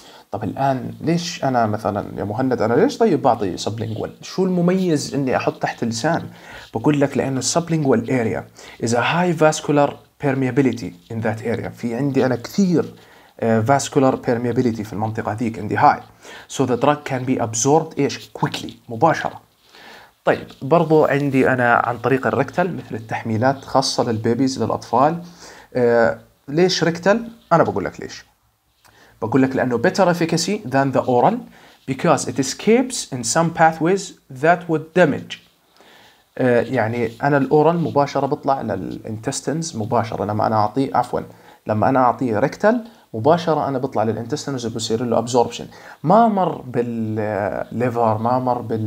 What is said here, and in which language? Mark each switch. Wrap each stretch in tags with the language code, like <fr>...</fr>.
<ar>طب الان ليش انا مثلا يا مهند انا ليش طيب بعطي سبلينجوال؟ شو المميز اني احط تحت اللسان؟ بقول لك لانه</ar> <en>السبلينجوال area is high vascular permeability in that area,</en> <ar>في عندي انا كثير فاسكولار بيرميابيليتي في المنطقه هذيك عندي هاي،</ar> <en>so the drug can be absorbed</en> <ar>ايش كويكلي مباشره. طيب برضو عندي أنا عن طريق الركتل مثل التحميلات خاصة للبيبيز للأطفال. ليش ركتل؟ أنا بقول لك ليش، بقول لك لأنه</ar> <en>better efficacy than the oral because it escapes in some pathways that would damage.</en> <ar>يعني أنا الأورال مباشرة بطلع للإنتستنز مباشرة لما أنا أعطيه، عفوا لما أنا أعطيه ركتل مباشرة أنا بطلع للإنتستنز وبصير له absorption، ما مر بالليفر ما مر</ar>